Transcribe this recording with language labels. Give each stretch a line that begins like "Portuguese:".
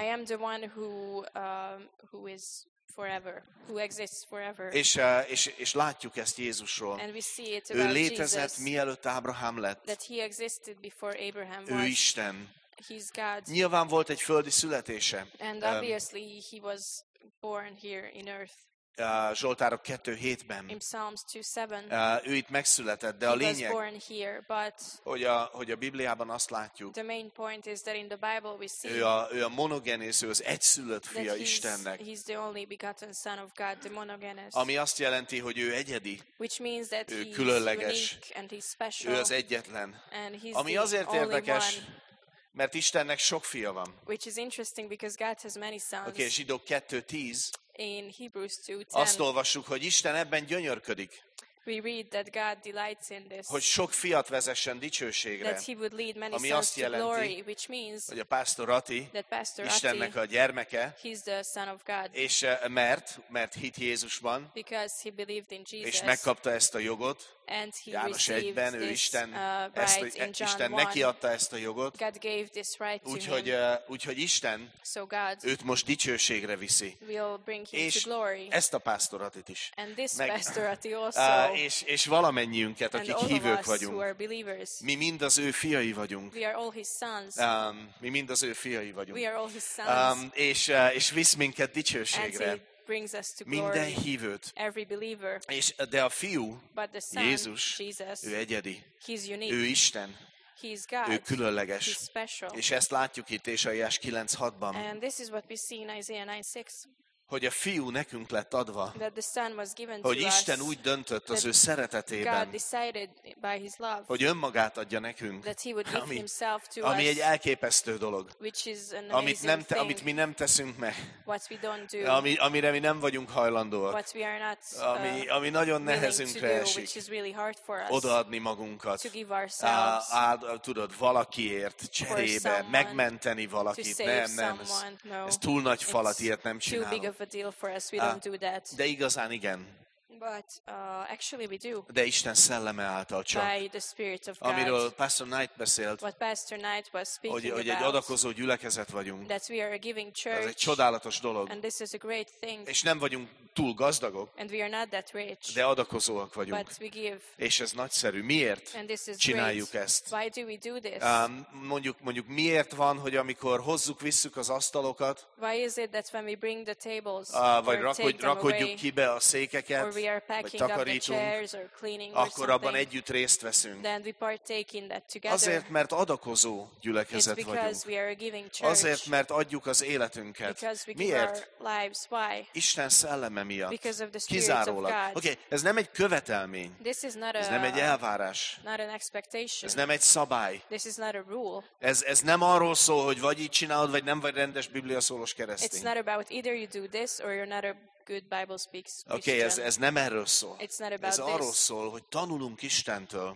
English: I am the one who is forever, who exists forever.
Hungarian: És látjuk ezt Jézusról.
English: And we see it about
Hungarian: ő létezett, Jesus, mielőtt Ábrahám lett.
English: That he existed before Abraham was.
Hungarian: Ő Isten.
English: He's God.
Hungarian: Nyilván volt egy földi születése.
English: And obviously he was born here in earth.
Hungarian: Zsoltárok 2:7-ben.
English: In Psalms 2:7.
Hungarian: Ő itt megszületett, de
English: he
Hungarian: a lényeg,
English: born here, but
Hungarian: hogy a Bibliában azt látjuk,
English: the main point is that in the Bible we see,
Hungarian: ő a monogenész, ő az egyszülött fia Istennek.
English: He's the only begotten son of God, the monogenes.
Hungarian: Ami azt jelenti, hogy ő egyedi,
English: which means that
Hungarian: ő különleges,
English: unique and he's special,
Hungarian: ő az egyetlen.
English: And he's
Hungarian: ami
English: the
Hungarian: azért
English: only
Hungarian: érdekes,
English: one,
Hungarian: mert Istennek sok fia van.
English: Which is interesting because God has many sons.
Hungarian: Okay, Zsidók 2:10.
English: In Hebrews 2:10.
Hungarian: Azt olvassuk, hogy Isten ebben gyönyörködik.
English: We read that God delights in this.
Hungarian: Hogy sok fiat vezessen dicsőségre.
English: That he would lead many
Hungarian: ami
English: sons
Hungarian: azt jelenti,
English: to glory, which means
Hungarian: hogy a pásztor Ati,
English: that pastor
Hungarian: Istennek
English: Ati,
Hungarian: a gyermeke.
English: He's the son of God.
Hungarian: És mert hit Jézusban.
English: Because he believed in Jesus.
Hungarian: És megkapta ezt a jogot.
English: And he
Hungarian: János 1-ben, ő Isten,
English: right,
Hungarian: ezt, Isten neki adta ezt a jogot.
English: God gave this right to
Hungarian: úgyhogy,
English: him.
Hungarian: Úgyhogy Isten
English: so God
Hungarian: őt most dicsőségre viszi.
English: Will bring him
Hungarian: és
English: to glory.
Hungarian: Ezt a pásztor Atit is.
English: And this meg, pastor Ati also.
Hungarian: És valamennyiünket, akik hívők vagyunk. Mi mind az ő fiai vagyunk.
English: We are all his sons.
Hungarian: Mi mind az ő fiai vagyunk.
English: We are all his sons.
Hungarian: És visz minket dicsőségre.
English: Brings us to glory,
Hungarian: minden hívőt.
English: Every believer.
Hungarian: És de a fiú,
English: but the son,
Hungarian: Jézus,
English: Jesus,
Hungarian: ő egyedi.
English: He's unique.
Hungarian: Ő Isten.
English: He's God.
Hungarian: Ő különleges.
English: He's special.
Hungarian: És ezt látjuk itt Ézsaiás 9:6-ban.
English: And this is what we see in Isaiah 9:6.
Hungarian: Hogy a fiú nekünk lett adva,
English: that the son was given to
Hungarian: hogy Isten
English: us,
Hungarian: úgy döntött az ő szeretetében,
English: God decided by his love,
Hungarian: hogy önmagát adja nekünk,
English: that he would give
Hungarian: ami,
English: himself to
Hungarian: ami
English: us,
Hungarian: egy elképesztő dolog,
English: which is an amazing
Hungarian: amit, nem amit mi nem teszünk meg,
English: what we don't do,
Hungarian: amire mi nem vagyunk hajlandóak,
English: what we are not,
Hungarian: ami nagyon nehezünkre esik,
English: which is really hard for us,
Hungarian: odaadni magunkat,
English: to give ourselves,
Hungarian: tudod, valakiért, cserébe,
English: for someone,
Hungarian: megmenteni valakit,
English: to save
Hungarian: nem, nem, ez,
English: someone, no,
Hungarian: ez túl nagy falat, ilyet nem csinálunk.
English: Of a deal for us, we don't do that.
Hungarian: De igazán igen.
English: But actually we do.
Hungarian: De Isten szelleme által csak.
English: By the Spirit of God.
Hungarian: Amiről Pastor Knight beszélt.
English: What Pastor Knight was speaking
Hungarian: hogy
English: about.
Hungarian: Egy adakozó gyülekezet vagyunk.
English: That we are a giving church.
Hungarian: Ez egy csodálatos dolog.
English: And this is a great thing.
Hungarian: És nem vagyunk túl gazdagok.
English: And we are not that rich.
Hungarian: De adakozóak vagyunk.
English: But we give.
Hungarian: És ez nagyszerű. Miért?
English: And this is
Hungarian: csináljuk
English: great.
Hungarian: Ezt?
English: Why do we do this?
Hungarian: Mondjuk miért van, hogy amikor hozzuk visszük az asztalokat?
English: Why is it that when we bring the tables?
Hungarian: Vagy rakodjuk ki be a székeket?
English: Or we are packing up the chairs or cleaning or
Hungarian: akkor abban együtt részt veszünk.
English: Then we partake in that together.
Hungarian: Azért, mert adakozó gyülekezet vagyunk.
English: It's because
Hungarian: vagyunk.
English: We are a giving church.
Hungarian: Azért, mert adjuk az életünket.
English: Because we
Hungarian: miért?
English: Give our lives. Why?
Hungarian: Isten szelleme miatt.
English: Because of the Spirit
Hungarian: kizárólag.
English: Of God.
Hungarian: Okay, ez nem egy követelmény.
English: This is not a,
Hungarian: ez nem egy elvárás.
English: Not an expectation.
Hungarian: Ez nem egy szabály.
English: This is not a rule.
Hungarian: Ez nem arról szól, hogy vagy így csinálod, vagy nem vagy rendes Biblia szólós keresztény.
English: It's not about either you do this or you're not a good Bible speaks.
Hungarian: Okay, ez nem erről szól.
English: It's not about
Hungarian: ez
English: this.
Hungarian: Arról szól, hogy tanulunk Istentől.